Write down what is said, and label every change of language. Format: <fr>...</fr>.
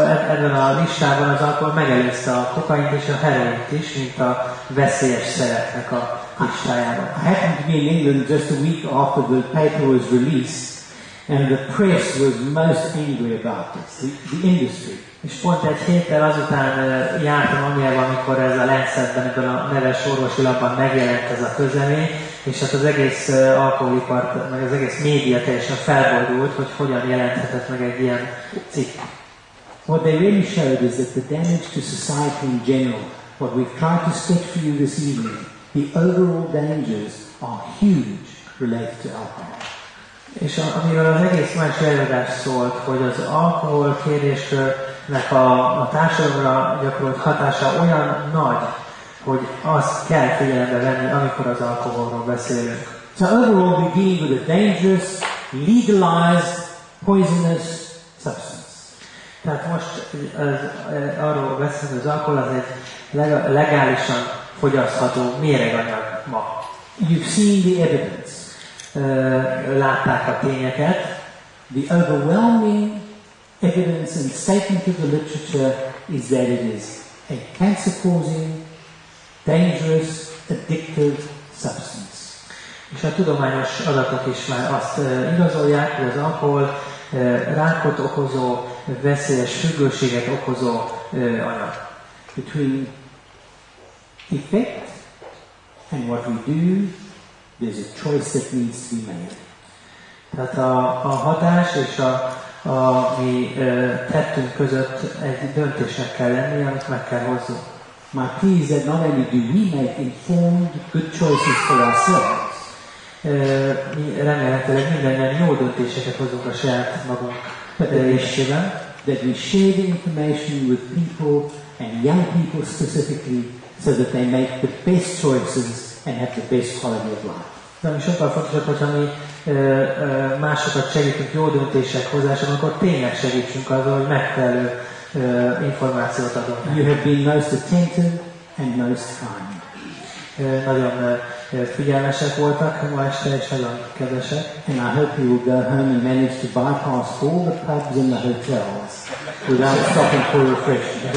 <hu>Ebben a listában az alkohol megelőzte a kokaint és a heroint is, mint a veszélyes szereknek a listájában.</hu> <en>I happened to be in England just a week after the paper was released, and the press was most angry about this, the industry.</en> <hu>És pont egy héttel azután jártam Angliában, amikor ez a Lancetben, ebben a neves orvosi lapban megjelent ez a közlemény, és hát az egész alkoholipart, meg az egész média teljesen felborult, hogy hogyan jelenthetett meg egy ilyen cikk.</hu> <en>What they really showed is that the damage to society in general, what we've tried to sketch for you this evening, the overall dangers are huge related to alcohol.</en> <hu>És amivel az egész más előadás szólt, hogy az alkohol kérdésnek a társadalomra gyakorolt hatása olyan nagy, hogy azt kell figyelembe venni, amikor az alkoholról beszélünk.</hu> <en>So overall we deal with a dangerous, legalized, poisonous substance.</en> <hu>Tehát most arról beszélünk, az alkohol az egy legálisan fogyasztható méreganyag ma.</hu> <en>You've seen the evidence.</en> <hu>Látták a tényeket.</hu> <en>The overwhelming evidence and statement of the literature is that it is a cancer-causing, dangerous, addictive substance.</en> <hu>És a tudományos adatok is már azt igazolják, hogy az alkohol rákot okozó, veszélyes függőséget okozó anyag.</hu> <en>Between effect and what we do, there's a choice that needs to be made.</en> <hu>Tehát a hatás és a mi tettünk között egy döntésnek kell lenni, amit meg kell hozzunk. Már tízed, nem ennyi,</hu> <en>do we make informed good choices for ourselves?</en> <hu>Mi remélhetőleg mindennyian jó döntéseket hozunk a saját magunk terésében.</hu> <en>That we share information with people and young people specifically so that they make the best choices and have the best quality of life.</en> <hu>Nem is sokkal fontosabb, hogyha mi másokat segítünk jó döntések hozásában, akkor tényleg segítsünk azzal, hogy megfelelő információt adunk.</hu> <en>You have been most attentive and most kind.</en> <hu>Nagyon figyelmesek voltak ma este, és nagyon kedvesek.</hu> <en>And I hope you will go home and manage to bypass all the pubs in the hotels without stopping for refreshment.</en>